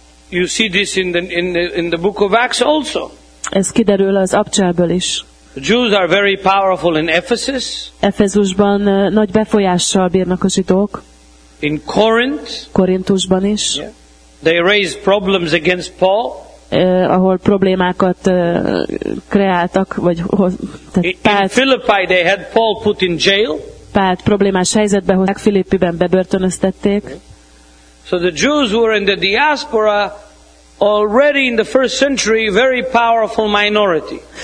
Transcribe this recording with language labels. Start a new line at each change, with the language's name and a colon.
English: You see this in the book of Acts also.
Hungarian: Ez kiderül az Apcsából is.
English: The Jews are very powerful in Ephesus.
Hungarian: Efezusban nagy befolyással bírnak a zsidók.
English: In Corinth.
Hungarian: Korintusban is.
English: Yeah. They raise problems against Paul.
Hungarian: Ahol problémákat kreáltak, vagy
English: Pált, in Philippi they had Paul put in jail.
Hungarian: Pált problémás helyzetbe hozták, Filippiben bebörtönöztették.
English: So the Jews were in the diaspora already in the first century very powerful minority.